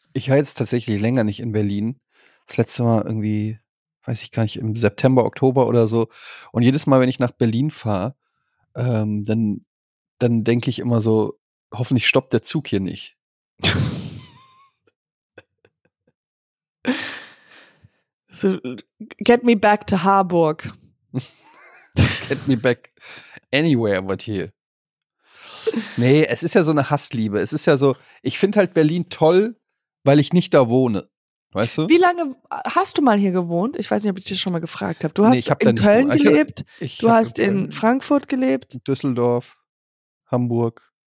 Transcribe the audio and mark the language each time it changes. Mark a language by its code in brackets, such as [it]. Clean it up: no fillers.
[de] Ich war jetzt tatsächlich länger nicht in Berlin. Das letzte Mal irgendwie, weiß ich gar nicht, im September, Oktober oder so. Und jedes Mal, wenn ich nach Berlin fahre, dann denke ich immer so, hoffentlich stoppt der Zug hier nicht. [en] So, get me back to Harburg. Get me back anywhere but here. [de] Nee, es ist ja so eine Hassliebe. Es ist ja so, ich finde halt Berlin toll, weil ich nicht da wohne. Weißt du? Wie lange hast du mal hier gewohnt? Ich weiß nicht, ob ich dich schon mal gefragt habe. Du hast in Köln gelebt, du hast in Frankfurt gelebt. Düsseldorf, Hamburg.